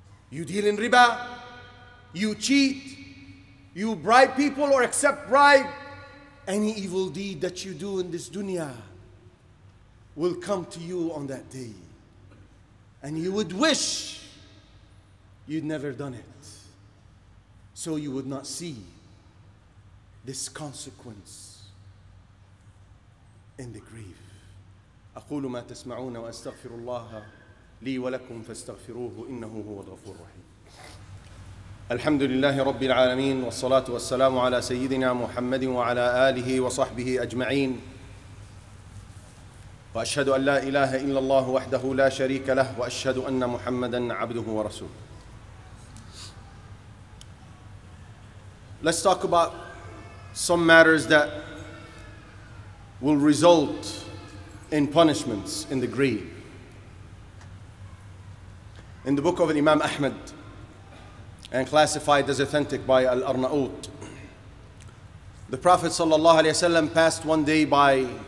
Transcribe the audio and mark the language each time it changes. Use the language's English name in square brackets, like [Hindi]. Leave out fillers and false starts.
[English] You deal in riba. You cheat. You bribe people or accept bribe, any evil deed that you do in this dunya will come to you on that day. And you would wish you'd never done it, so you would not see this consequence in the grave. [Arabic] أقول ما تسمعون وأستغفر الله لي ولكم فاستغفروه إنه هو الغفور الرحيم. الحمد لله رب العالمين والصلاة والسلام على سيدنا محمد وعلى آله وصحبه أجمعين وأشهد أن لا إله إلا الله وحده لا شريك له وأشهد أن محمدًا عبده ورسوله. [English] Let's talk about some matters that will result in punishments in the grave. In the book of Imam Ahmad, and classified as authentic by Al-Arnaut, the Prophet ﷺ passed one day by